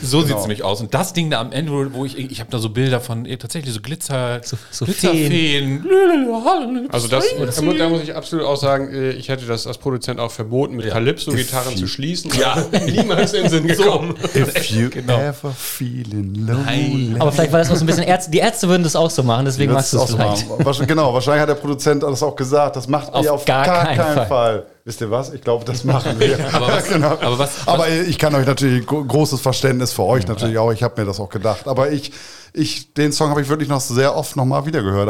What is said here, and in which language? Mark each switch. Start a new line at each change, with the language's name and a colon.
German: so genau. Sieht es nämlich aus. Und das Ding da am Ende, wo ich habe da so Bilder von tatsächlich so Glitzerfeen. Also das, da muss ich absolut auch sagen, ich hätte das als Produzent auch verboten, mit Calypso-Gitarren zu schließen. Ja, niemals in den Sinn gekommen.
English: If you ever feel in lonely.
German: Aber vielleicht war das auch so ein bisschen, die Ärzte würden das auch so machen, deswegen machst du es vielleicht. Genau, wahrscheinlich hat der Produzent das auch gesagt, das macht auf gar keinen Fall. Wisst ihr was? Ich glaube, das machen wir. Aber ich kann euch natürlich großes Verständnis für euch natürlich auch. Ich habe mir das auch gedacht. Aber ich den Song habe ich wirklich noch sehr oft nochmal wieder gehört.